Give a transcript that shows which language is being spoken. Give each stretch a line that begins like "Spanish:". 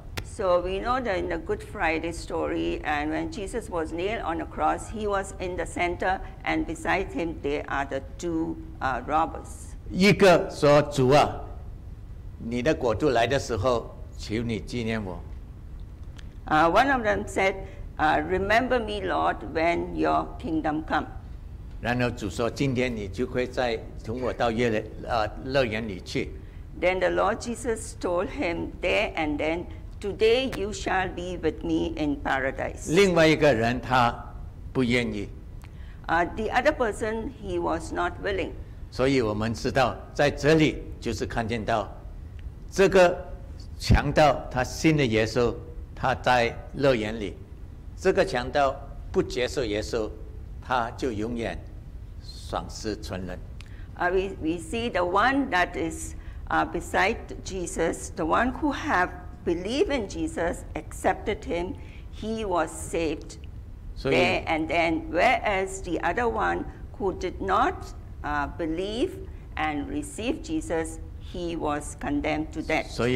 English: So we know that in the Good Friday story, and when Jesus was nailed on the cross, he was in the center, and beside him, there are the two robbers.
Chinese: 一个说，主啊，你的国度来的时候，求你纪念我。
English: One of them said, remember me, Lord, when your kingdom come.
Chinese: 然后主说，今天你就会再同我到乐园里去。
English: Then the Lord Jesus told him there and then, today you shall be with me in paradise.
Chinese: 另外一个人他不愿意。
English: The other person, he was not willing.
Chinese: 所以我们知道，在这里就是看见到这个强盗，他信了耶稣，他在乐园里；这个强盗不接受耶稣，他就永远丧失存人。
English: We see the one that is beside Jesus, the one who have believed in Jesus, accepted him, he was saved. There and then, whereas the other one who did not believe and receive Jesus, he was condemned to death.